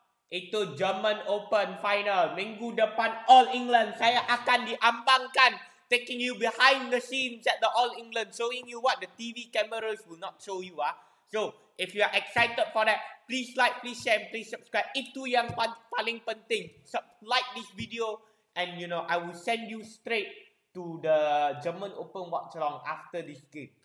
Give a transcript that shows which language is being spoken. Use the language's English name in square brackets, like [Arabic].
[Malay] Itu German Open Final. Minggu depan All England. Saya akan diambangkan. [English] Taking you behind the scenes at the All England. Showing you what the TV cameras will not show you. So, if you are excited for that, please like, please share and please subscribe. [Malay] Itu yang paling penting. [English] Like this video. And you know, I will send you straight to the German Open Watchalong after this game.